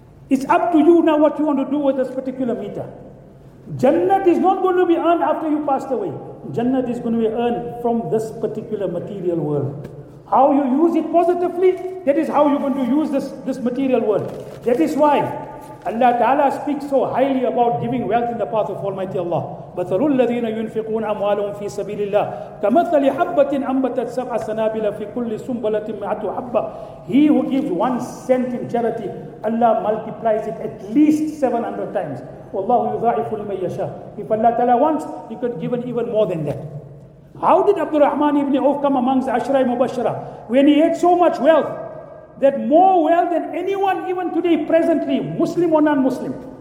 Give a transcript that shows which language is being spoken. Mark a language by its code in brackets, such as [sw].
[en] It's up to you now what you want to do with this particular meter. Jannat is not going to be earned after you passed away. Jannat is going to be earned from this particular material world. How you use it positively, that is how you're going to use this material world. That is why Allah Ta'ala speaks so highly about giving wealth in the path of Almighty Allah. [ar] مثل الذين ينفقون أموالهم في سبيل الله كمثل حبة أنبتت سبع سنابل في كل سنبلة مئة حبة. [en] He who gives 1 cent in charity, Allah multiplies it at least 700 times. [ar] والله يضاعف لمن يشاء. [en] If Allah Ta'ala wants, He could give it even more than that. How did Abdul Rahman ibn Auf come amongst Ashra'i Mubashara? When he had so much wealth, that more wealth than anyone even today presently, Muslim or non-Muslim.